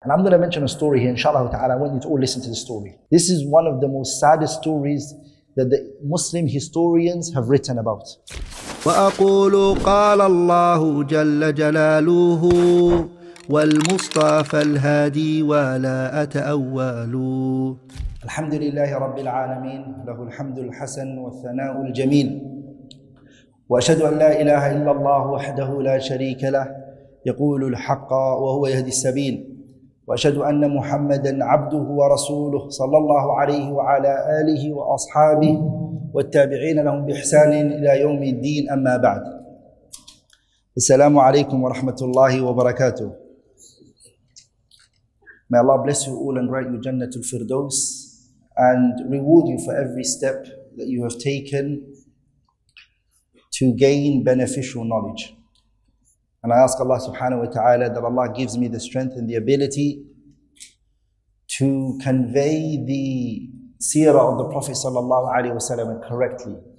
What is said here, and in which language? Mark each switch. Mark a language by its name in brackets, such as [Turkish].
[English] And I'm going to mention a story here, inshallah ta'ala. I want you to all listen to the story. This is one of the most saddest stories that the Muslim historians have written about. [Arabic] وأقول قال الله جل جلاله والمصطفى الهادي ولا أتأول. الحمد لله رب العالمين له الحمد الحسن والثناء الجميل وأشهد أن لا إله إلا الله وحده لا شريك له يقول الحق وهو يهدي السبيل وأشهد أن محمدا عبده ورسوله صلى الله عليه وعلى آله وأصحابه والتابعين لهم بإحسان إلى يوم الدين أما بعد السلام عليكم ورحمة الله وبركاته. [English] May Allah bless you all and grant you Jannah al-Firdaus and reward you for every step that you have taken to gain beneficial knowledge. And I ask Allah subhanahu wa ta'ala that Allah gives me the strength and the ability to convey the seerah of the Prophet sallallahu alayhi wa sallam correctly.